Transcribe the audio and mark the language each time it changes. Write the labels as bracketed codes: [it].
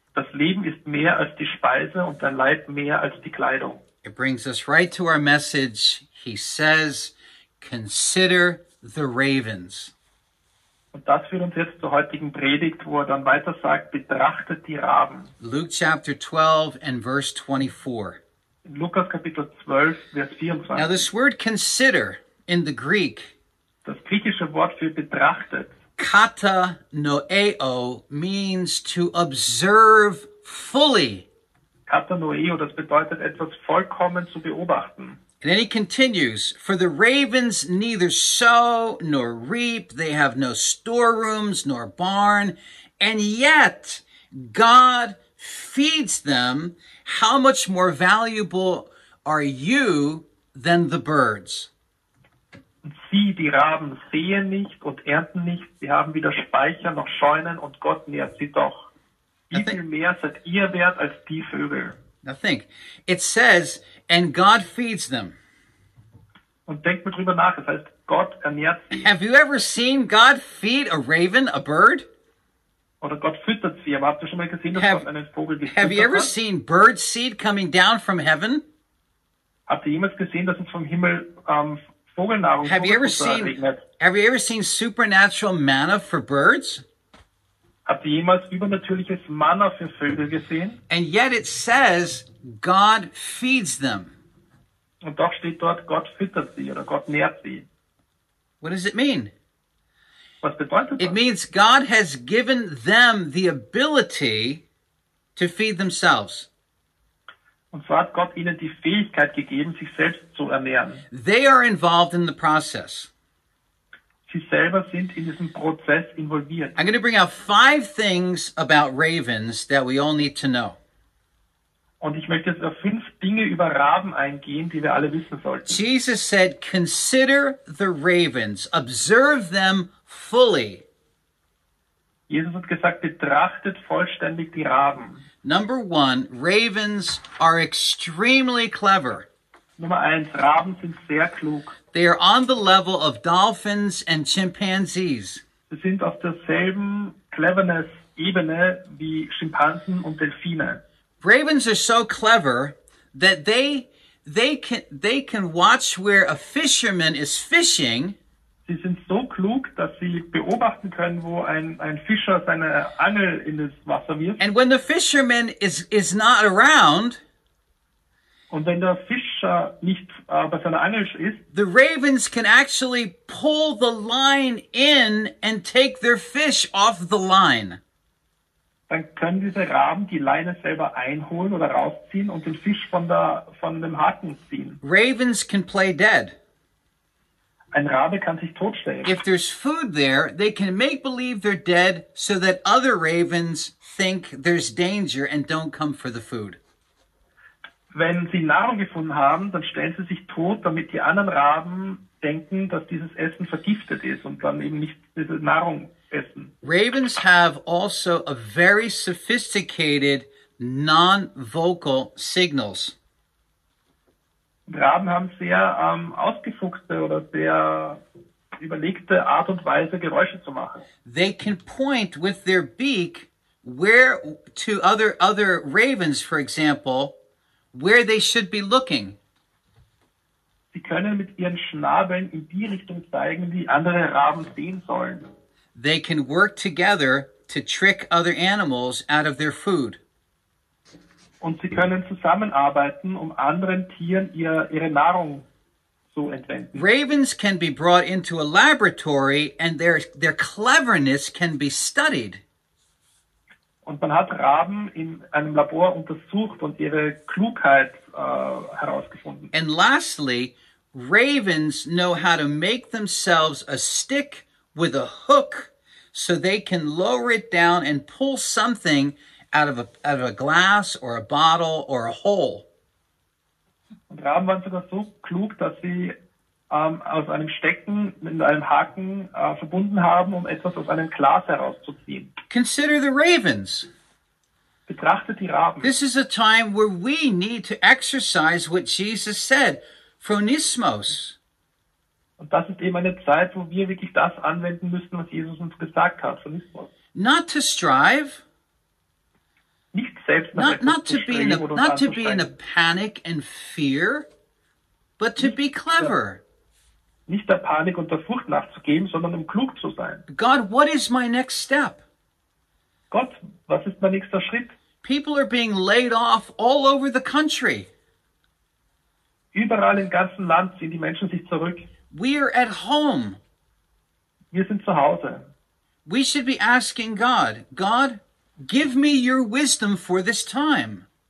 [de] Das Leben ist mehr als die Speise und der Leib mehr als die Kleidung. [en] It brings us right to our message. He says, consider the ravens. [de] Und das führt uns jetzt zur heutigen Predigt, wo er dann weiter sagt, betrachtet die Raben. [en] Luke chapter 12 and verse 24. [de] Lukas Kapitel 12, Vers 24. [en] Now this word consider in the Greek, [de] das griechische Wort für betrachtet, [en] kata noeo, means to observe fully. [de] Kata noeo, das bedeutet etwas vollkommen zu beobachten. [en] And then he continues, for the ravens neither sow nor reap, they have no storerooms nor barn, and yet God feeds them. How much more valuable are you than the birds? [de] Sie, die Raben, sehen nicht und ernten nicht. Sie haben weder Speicher noch Scheunen und Gott nährt sie doch. Wie viel mehr seid ihr wert als die Vögel? [en] Now think. It says, and God feeds them. [de] Und denkt mal drüber nach. Es heißt, Gott ernährt sie. [en] Have you ever seen God feed a raven, a bird? [de] Oder Gott füttert sie. Aber habt ihr schon mal gesehen, dass Gott einen Vogel gefüttert hat? [en] Have you ever seen bird seed coming down from heaven? [de] Habt ihr jemals gesehen, dass es vom Himmel [en] have you ever seen supernatural manna for birds? [de] Habt ihr jemals übernatürliches Manna für Vögel gesehen? [en] And yet it says God feeds them. [de] Und doch steht dort, Gott füttert sie oder Gott nährt sie. [en] What does it mean? [de] Was bedeutet das? [en] It means God has given them the ability to feed themselves. [de] Und so hat Gott ihnen die Fähigkeit gegeben, sich selbst zu ernähren. [en] They are involved in the process. [de] Sie selber sind in diesem Prozess involviert. [en] I'm going to bring out five things about ravens that we all need to know. [de] Und ich möchte jetzt auf fünf Dinge über Raben eingehen, die wir alle wissen sollten. [en] Jesus said, consider the ravens, observe them fully. [de] Jesus hat gesagt, betrachtet vollständig die Raben. [en] Number one, ravens are extremely clever. [de] Nummer eins, Raben sind sehr klug. [en] They are on the level of dolphins and chimpanzees. [de] Sie sind auf derselben Cleverness-Ebene wie Schimpansen und Delfine. [en] Ravens are so clever that they can watch where a fisherman is fishing. [de] Sie sind so klug, dass sie beobachten können, wo ein Fischer seine Angel in das Wasser wirft. [en] And when the fisherman is not around, [de] und wenn der Fischer nicht bei seiner Angel ist, [en] the ravens can actually pull the line in and take their fish off the line. [de] Dann können diese Raben die Leine selber einholen oder rausziehen und den Fisch von dem Haken ziehen. [en] Ravens can play dead. [de] Ein Rabe kann sich totstellen. [en] If there's food there, they can make believe they're dead so that other ravens think there's danger and don't come for the food. [de] Wenn sie Nahrung gefunden haben, dann stellen sie sich tot, damit die anderen Raben denken, dass dieses Essen vergiftet ist und dann eben nicht diese Nahrung essen. [en] Ravens have also a very sophisticated non-vocal signals. [de] Raben haben sehr ausgefuchste oder sehr überlegte Art und Weise, Geräusche zu machen. [en] They can point with their beak where to other ravens, for example, where they should be looking. [de] Sie können mit ihren Schnabeln in die Richtung zeigen, die andere Raben sehen sollen. [en] They can work together to trick other animals out of their food. [de] Und sie können zusammenarbeiten, um anderen Tieren ihre Nahrung zu entwenden. [en] Ravens can be brought into a laboratory and their cleverness can be studied. [de] Und man hat Raben in einem Labor untersucht und ihre Klugheit herausgefunden. [en] And lastly, ravens know how to make themselves a stick with a hook so they can lower it down and pull something out of a glass or a bottle or a hole. [de] Und Raben waren sogar so klug, dass sie aus einem Stecken mit einem Haken verbunden haben, um etwas aus einem Glas herauszuziehen. [en] Consider the ravens. [de] Betrachtet die Raben. [en] This is a time where we need to exercise what Jesus said, phronismos. [de] Und das ist eben eine Zeit, wo wir wirklich das anwenden müssen, was Jesus uns gesagt hat, phronismos. [en] Not to strive. Not to be in a panic and fear, but to be clever. [de] Nicht der Panik und der Furcht nachzugeben, sondern um klug zu sein. [en] God, what is my next step? [de] Gott, was ist mein nächster Schritt? [en] People are being laid off all over the country. [de] Überall im ganzen Land ziehen die Menschen sich zurück. We are at home. Wir sind zu Hause. [en] We should be asking God, give me your wisdom for this time.